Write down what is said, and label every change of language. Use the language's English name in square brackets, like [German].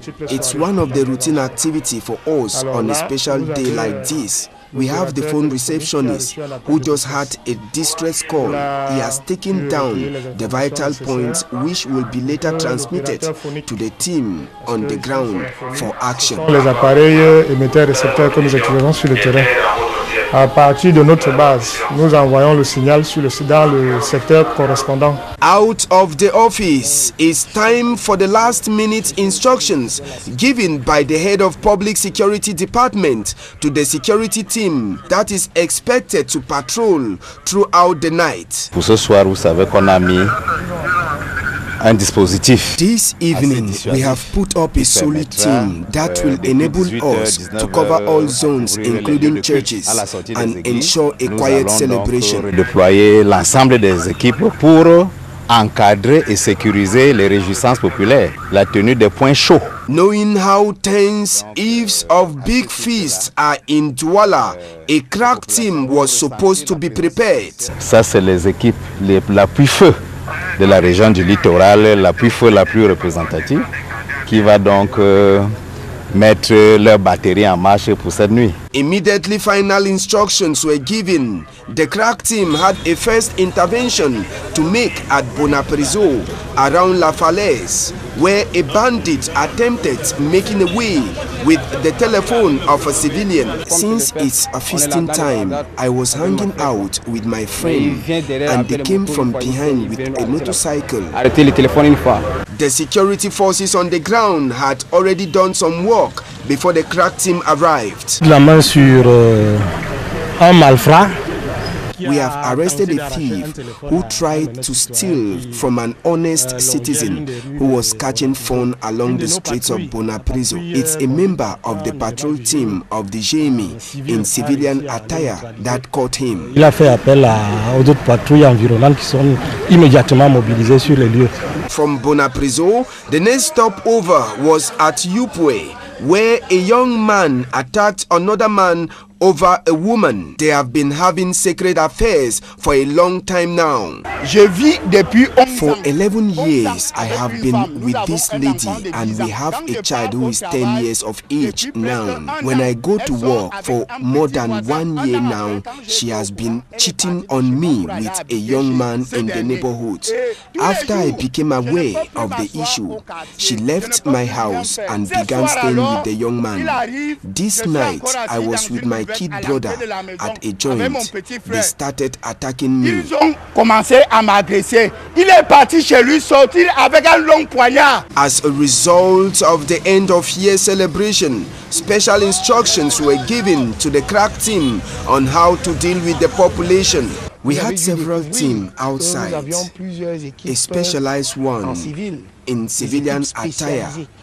[English] It's one of the routine activities for us on a special day like this. We have the phone receptionist who just had a distress call. He has taken down the vital points which will be later transmitted to the team on the ground for action. [French] Les appareils émetteurs récepteurs que nous utilisons sur le terrain. À partir de notre base, nous envoyons le signal dans le secteur correspondant. [English] Out of the office, it's time for the last minute instructions given by the head of public security department to the security team that is expected to patrol throughout the night. [French] Pour ce soir, vous savez qu'on a mis un dispositif. [English] This evening, we have put up a solid team that will enable us to cover all zones, including churches, and ensure a quiet celebration. [French] Déployer l'ensemble des équipes pour encadrer et sécuriser les réjouissances populaires, la tenue des points chauds. [English] Knowing how tense eves of big feasts are in Douala, a crack team was supposed to be prepared. [French] Ça, c'est les équipes, l'appui-feu de la région du littoral, l'appui-feu la plus représentative, qui va donc mettre leur batterie en marche pour cette nuit. [English] Immediately, final instructions were given. The crack team had a first intervention to make at Bonaprizo, around La Falaise, where a bandit attempted making away with the telephone of a civilian. Since it's a feasting time, I was hanging out with my friend, and they came from behind with a motorcycle. The security forces on the ground had already done some work before the crack team arrived. [French] Sur un malfrat. [English] We have arrested a thief who tried to steal from an honest citizen who was catching phone along the streets of Bonaprizo. It's a member of the patrol team of the GMI in civilian attire that caught him. [French] Il a fait appel aux autres patrouilles environnantes qui sont immédiatement mobilisées sur les lieux. [English] From Bonaprizo, the next stop over was at Yupwe, where a young man attacked another man over a woman. They have been having secret affairs for a long time now. [French] Je vis depuis 11 [English] for 11 years, I have been with this lady and we have a child who is 10 years of age now. When I go to work for more than 1 year now, she has been cheating on me with a young man in the neighborhood. After I became aware of the issue, she left my house and began staying with the young man. This night, I was with my kid brother at a joint. They started attacking me. [French] Ils ont commencé à m'agresser. Il est parti chez lui sortir avec un long poignard. [English] As a result of the end of year celebration, special instructions were given to the crack team on how to deal with the population. We had several teams outside, a specialized one in civilian attire.